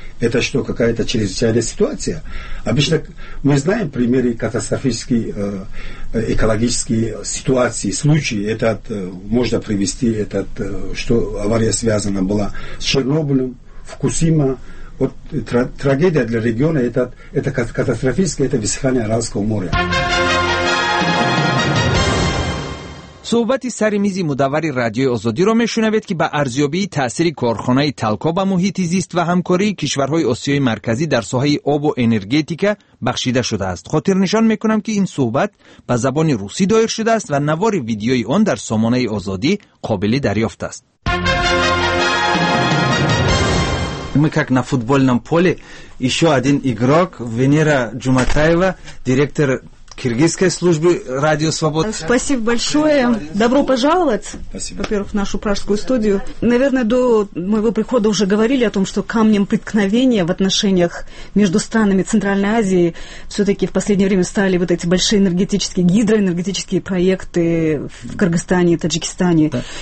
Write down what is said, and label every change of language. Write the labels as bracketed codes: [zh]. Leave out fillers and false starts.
[ru] Это что, какая-то чрезвычайная ситуация? Обычно мы знаем примеры катастрофической экологической ситуации, случаи. Можно привести, что авария связана была с Чернобылем, Фукусима. Вот трагедия для региона, это катастрофическое, это высыхание Аральского моря. [fa] صحبت سر میز مدور رادیو آزادی را میشنوید که با ارزیابی تاثیر کارخانه تلکا به محیط زیست و همکاری کشورهای آسیای مرکزی در ساحه آب و انرژتیکا بخشیده شده است. خاطر نشان میکنم که این صحبت به زبان روسی دایر شده است و نوار ویدیوی آن در سامانه آزادی قابل دریافت است. [ru] Мы как на футбольном поле, еще один игрок Венера Джуматаева, директор Киргизской службы Радио Свобода. Спасибо большое. Добро пожаловать, спасибо. Во-первых, в нашу пражскую студию. Наверное, до моего прихода уже говорили о том, что камнем преткновения в отношениях между странами Центральной Азии все-таки в последнее время стали вот эти большие энергетические, гидроэнергетические проекты в Кыргызстане и Таджикистане. Да.